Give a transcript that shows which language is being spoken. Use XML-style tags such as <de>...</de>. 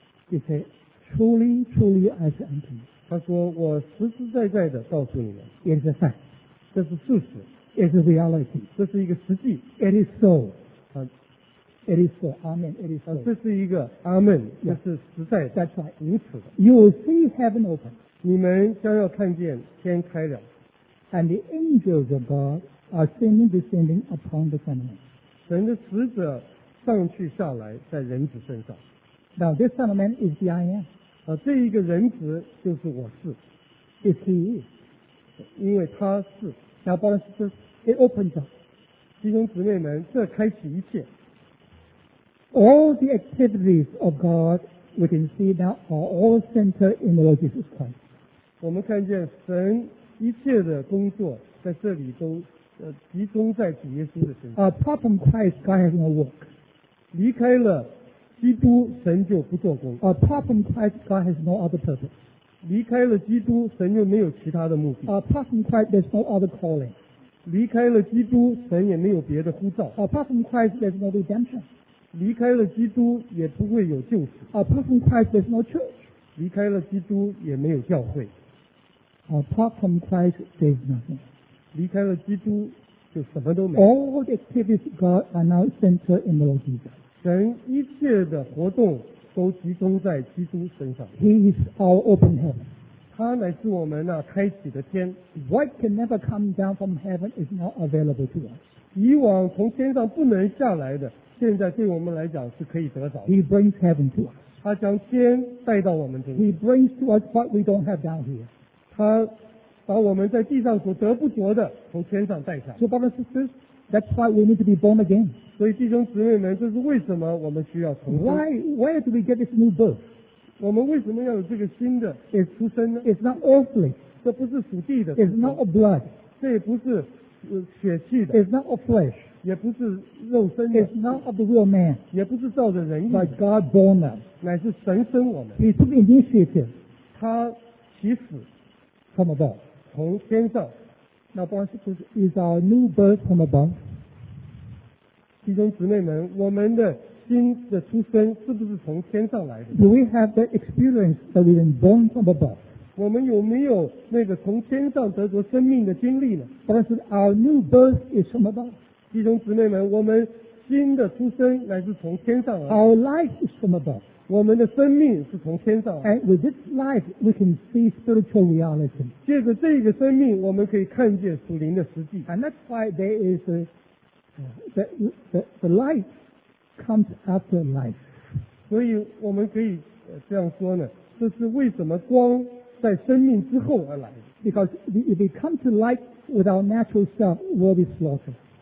<en>，He said, "Truly, truly, I say unto you."</en> <zh>他说，我实实在在的告诉你们</zh> <en>，It is a fact.</en> <zh>这是事实</zh> <en>，It is reality.</en> <zh>这是一个实际</zh> <en>，It is so. It is so. Amen. It is so.</en> <zh>这是一个 Amen. 这是实在的。</zh> <en>That's right.</en> <zh>如此的。</zh> <en>You will see heaven open.</en> <zh>你们将要看见天开了。</zh> <en>And the angels of God. Are ascending, descending upon the Son of Man.</en> <zh>神的使者上去下来在人子身上。</zh> <en>Now this Son of Man is the I Am.</en> <zh>啊，这一个人子就是我是</zh> <en>，It's he，</en> <zh>因为他是。</zh> <en>Now, brothers and sisters, it opens up.</en> <zh>弟兄姊妹们，这开启一切。</zh> <en>All the activities of God we can see now are all centered in the Lord Jesus Christ.</en> <zh>我们看见神一切的工作在这里都集中在主耶稣的身上。</zh> <en>Apart from Christ, God has no work.</en> <zh>离开了基督，神就不做工。</zh> <en>Apart from Christ, God has no other purpose.</en> <zh>离开了基督，神又没有其他的目的。</zh> <en>Apart from Christ, there's no other calling.</en> <zh>离开了基督，神也没有别的呼召。</zh> <en>Apart from Christ, there's no redemption.</en> <zh>离开了基督，也不会有救赎。</zh> <en>Apart from Christ, there's no church.</en> <zh>离开了基督，也没有教会。</zh> <en>Apart from Christ, there's nothing.</en> <zh>离开了基督，就什么都没有。</zh> <en>All the activities of God are now centered in the Lord Jesus.</en> <zh>神一切的活动都集中在基督身上。</zh> <en>He is our open heaven.</en> <zh>他乃是我们那开启的天。</zh> <en>What can never come down from heaven is now available to us.</en> <zh>以往从天上不能下来的，现在对我们来讲是可以得着的。</zh> <en>He brings heaven to us.</en> <zh>他将天带到我们这里。</zh> <en>He brings to us what we don't have down here.</en> <zh>他把我们在地上所得不着的从天上带上。</zh> <en>So, brothers and sisters, that's why we need to be born again.</en> <zh>所以弟兄姊妹们，这是为什么我们需要重生。</zh> <en>Why do we get this new birth?</en> <zh>我们为什么要有这个新的出生呢？</zh> <en>It's not earthly.</en> <zh>这不是属地的。</zh> <en>It's not of blood.</en> <zh>这也不是血气的。</zh> <en>It's not of flesh.</en> <zh>也不是肉身的。</zh> <en>It's not of the real man.</en> <zh>也不是照着人意。</zh> <en>But God born us.</en> <zh>乃是神生我们。</zh> <en>He took initiative.</en> <zh>他起始。</zh> <en>From above.</en> <zh>从天上。</zh> <en>Now, brothers, is our new birth from above?</en> <zh>弟兄姊妹们，我们的新的出生是不是从天上来的？</zh> <en>Do we have the experience that we've been born from above?</en> <zh>我们有没有那个从天上得着生命的经历呢？</zh> <en>But our new birth is from above.</en> <zh>弟兄姊妹们，我们新的出生乃是从天上来的。</zh> <en>Our life is from above.</en> <zh>我们的生命是从天上来的。</zh> <en>And with this life, we can see spiritual reality.</en> <zh>借着这个生命，我们可以看见属灵的实际。</zh> <en>And that's why there is a... The life comes after life.</en> <zh>所以我们可以这样说呢，这是为什么光在生命之后而来的。</zh> <en>Because if we come to light with our natural self, we'll be slaughtered.</en>